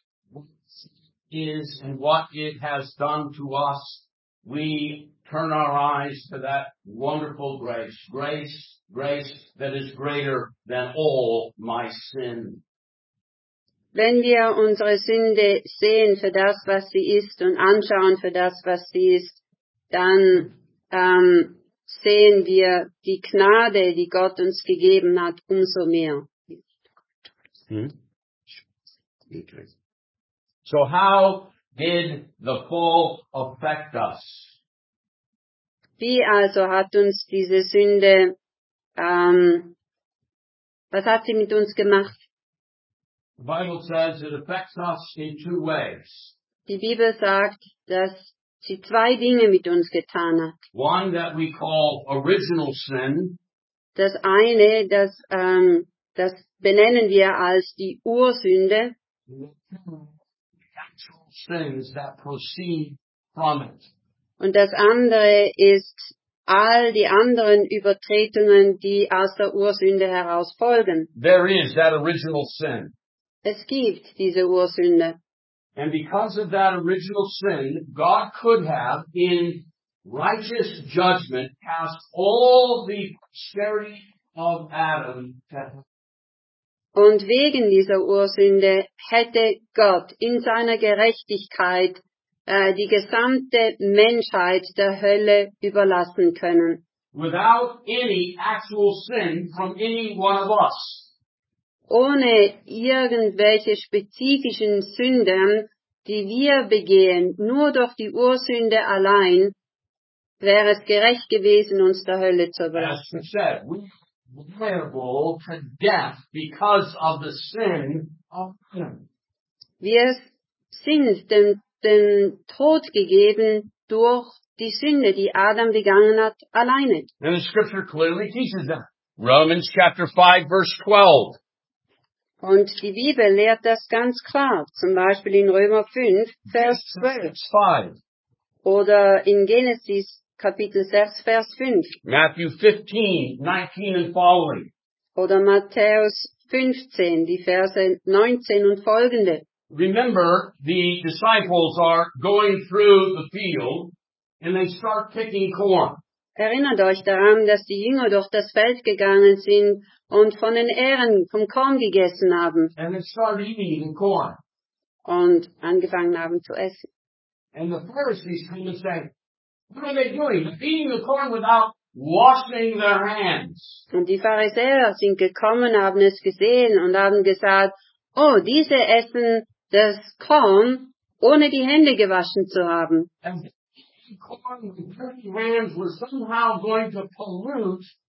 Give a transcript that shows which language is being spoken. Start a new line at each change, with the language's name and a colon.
English: What is and what it has done to us, we turn our eyes to that wonderful grace. Grace that is greater than all my sin.
German: Wenn wir unsere Sünde sehen für das, was sie ist und anschauen für das, was sie ist, dann sehen wir die Gnade, die Gott uns gegeben hat, umso mehr.
English: So how did the fall affect us?
German: Wie also hat uns diese Sünde, was hat sie mit uns gemacht?
English: The Bible says it affects us in two ways.
German: Die Bibel sagt, dass sie zwei Dinge mit uns getan hat.
English: One that we call original sin.
German: Das eine, das benennen wir als die Ursünde.
English: Yeah. natural things that proceed from it.
German: Und das andere ist all die anderen Übertretungen, die aus der Ursünde heraus folgen.
English: There is that original sin.
German: Es gibt diese Ursünde.
English: And because of that original sin, God could have, in righteous judgment, cast all the posterity of Adam to hell.
German: Und wegen dieser Ursünde hätte Gott in seiner Gerechtigkeit die gesamte Menschheit der Hölle überlassen können.
English: Without any actual sin from any one of us.
German: Ohne irgendwelche spezifischen Sünden, die wir begehen, nur durch die Ursünde allein, wäre es gerecht gewesen, uns der Hölle zu überlassen.
English: As said, we are liable to death because of the sin of sin.
German: Wir sind dem Tod gegeben durch die Sünde, die Adam begangen hat, alleine.
English: And the scripture clearly teaches that. Romans chapter 5, verse 12.
German: Und die Bibel lehrt das ganz klar, zum Beispiel in Römer 5, Vers 12. 5. Oder in Genesis Kapitel 6, Vers 5.
English: Matthew 15, 19 and following.
German: Oder Matthäus 15, die Verse 19 und folgende.
English: Remember, the disciples are going through the field and they start picking corn.
German: Erinnert euch daran, dass die Jünger durch das Feld gegangen sind und von den Ähren vom Korn gegessen haben.
English: And they started eating corn.
German: Und angefangen haben zu essen.
English: And the Pharisees come and say, what are they doing? They're eating the corn without washing their hands.
German: Und die Pharisäer sind gekommen, haben es gesehen und haben gesagt, oh, diese essen das Korn, ohne die Hände gewaschen zu haben.
English: And the corn with dirty hands were somehow going to pollute.